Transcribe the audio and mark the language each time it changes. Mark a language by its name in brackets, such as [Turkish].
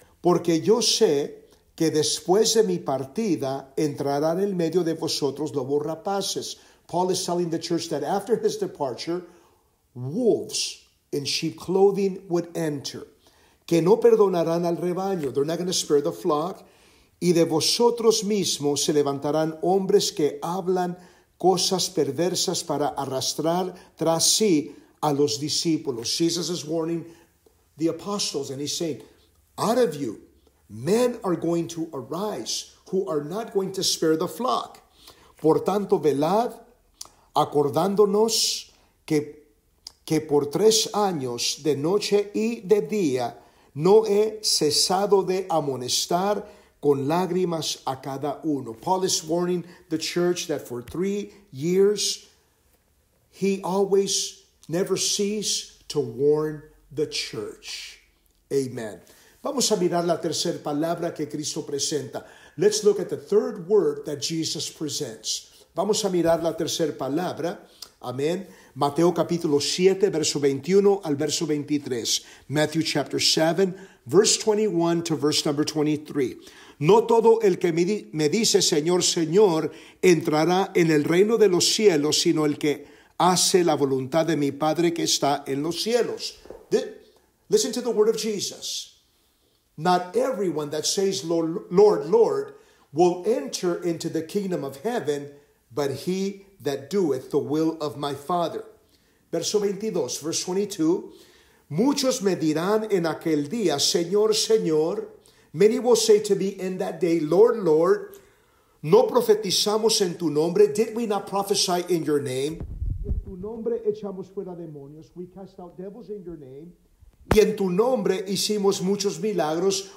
[Spanish] Porque yo sé que después de mi partida entrará en el medio de vosotros lobos rapaces. [English] Paul is telling the church that after his departure, wolves in sheep clothing would enter. [Spanish] Que no perdonarán al rebaño. [English] They're not going to spare the flock. [Spanish] Y de vosotros mismos se levantarán hombres que hablan cosas perversas para arrastrar tras sí a los discípulos. [English] Jesus is warning the apostles and he's saying, out of you, men are going to arise who are not going to spare the flock. [Spanish] Por tanto, velad, acordándonos que por 3 años, de noche y de día, no he cesado de amonestar con lágrimas a cada uno. [English] Paul is warning the church that for 3 years, he always never ceases to warn the church. Amen. [Spanish] Vamos a mirar la tercera palabra que Cristo presenta. [English] Let's look at the third word that Jesus presents. [Spanish] Vamos a mirar la tercera palabra. Amén. Mateo capítulo 7, verso 21 al verso 23. [English] Matthew chapter 7, verse 21 to verse number 23. [Spanish] No todo el que me dice Señor, Señor, entrará en el reino de los cielos, sino el que hace la voluntad de mi Padre que está en los cielos. [English] Listen to the word of Jesus. Not everyone that says, Lord, Lord, Lord, will enter into the kingdom of heaven, but he that doeth the will of my Father. [Spanish] Verso 22, [English] verse 22. [Spanish] Muchos me dirán en aquel día, Señor, Señor. [English] Many will say to me in that day, Lord, Lord, [Spanish] no profetizamos en tu nombre. [English] Did we not prophesy in your name? [Spanish] En tu nombre echamos fuera demonios. [English] We cast out devils in your name. [Spanish] Y en tu nombre hicimos muchos milagros.